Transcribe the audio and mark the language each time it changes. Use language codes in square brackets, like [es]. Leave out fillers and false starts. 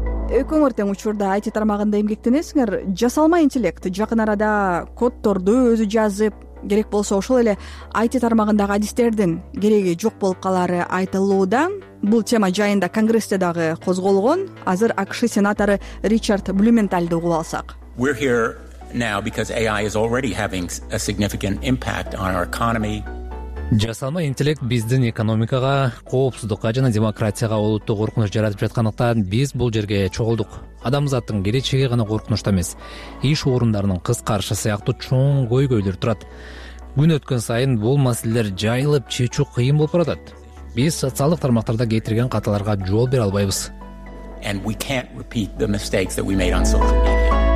[ky] Өкөңөр тең учурда IT тармагында эмгектенесиңер. Жасалма интеллект жакын арада коддорду өзү жазып, керек болсо ошол эле IT тармагындагы адистердин кереги жок болуп калары айтылууда. Бул тема жайында Конгрессте дагы козголгон. Азыр АКШ сенатору Ричард Блюменталды угуп алсак. [en] We're here now because AI is already having a significant impact on our economy. [ky] Жасалма интеллект биздин экономикага, коопсуздукка жана демократияга олуттуу коркунуч жаратып жаткандыктан биз бул жерге чогулдук. Адамзаттын келечеги гана коркунучта эмес, иш орундарынын кыскарышы сыяктуу чоң көйгөйлөр турат. Күн өткөн сайын бул маселелер жайылып чечүү кыйын болуп баратат. Биз социалдык тармактарда кетирген каталарга жол бере албайбыз. [en] And we can't repeat the mistakes that we made on social media.